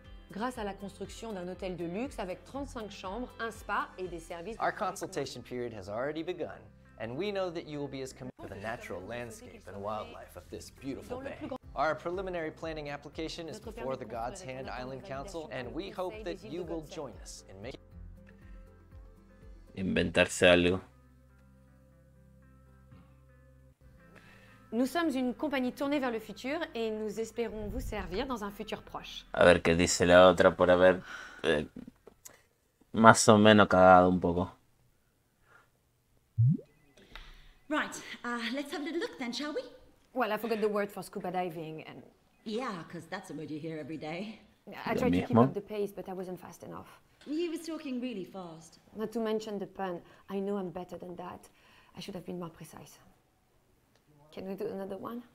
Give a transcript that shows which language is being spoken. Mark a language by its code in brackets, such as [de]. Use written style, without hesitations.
[fr] Grâce à la construction d'un hôtel de luxe avec 35 chambres, un spa et des services. [en] Our consultation period has already begun, and we know that you will be as committed to the natural landscape and wildlife of this beautiful bay. Our preliminary planning application is before the God's Hand Island Council, and we hope that you will join us in making. [es] Inventarse algo. [fr] Nous sommes une compagnie tournée vers le futur et nous espérons vous servir dans un futur proche. [es] A ver qué dice la otra por haber más o menos cagado un poco. [en] Right, let's have a little look then, shall we? Well, I forgot the word for scuba diving and yeah, because that's a word you hear every day. I tried to keep up the pace, but I wasn't fast enough. He was talking really fast. Not to mention the pun. I know I'm better than that. I should have been more precise. Can we do another one?